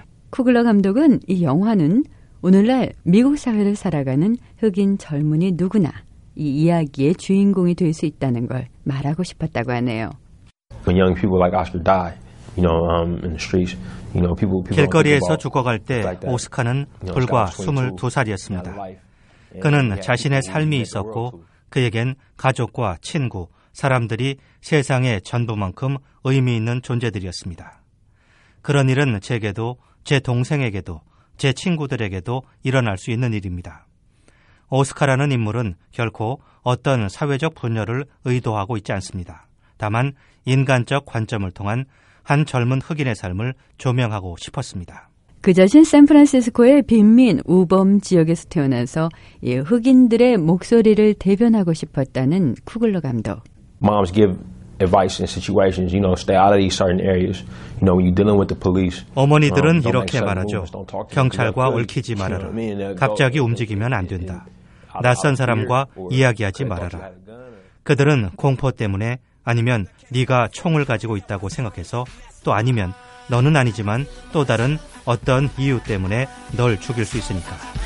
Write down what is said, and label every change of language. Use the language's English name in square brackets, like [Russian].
[Korean] 쿠글러 감독은 이 영화는 오늘날 미국 사회를 살아가는 흑인 젊은이 누구나 이 이야기의 주인공이 될 수 있다는 걸 말하고 싶었다고 하네요. [English] When young people like Oscar die, you know, in the streets, you know, people [Korean] 길거리에서 죽어갈 때 오스카는 불과 22살이었습니다. 그는 자신의 삶이 있었고 그에겐 가족과 친구, 사람들이 세상의 전부만큼 의미 있는 존재들이었습니다. 그런 일은 제게도, 제 동생에게도, 제 친구들에게도 일어날 수 있는 일입니다. 오스카라는 인물은 결코 어떤 사회적 분열을 의도하고 있지 않습니다. 다만 인간적 관점을 통한 한 젊은 흑인의 삶을 조명하고 싶었습니다. 그 자신 샌프란시스코의 빈민, 우범 지역에서 태어나서 이 흑인들의 목소리를 대변하고 싶었다는 쿠글러 감독. [English] Moms give advice in situations, you know, stay out of these certain areas. You know, when you're dealing with the police. [Korean] 어머니들은 이렇게 말하죠. 경찰과 얽히지 말아라. 갑자기 움직이면 안 된다. 낯선 사람과 이야기하지 말아라. 그들은 공포 때문에 아니면 네가 총을 가지고 있다고 생각해서 또 아니면 너는 아니지만 또 다른 어떤 이유 때문에 널 죽일 수 있으니까.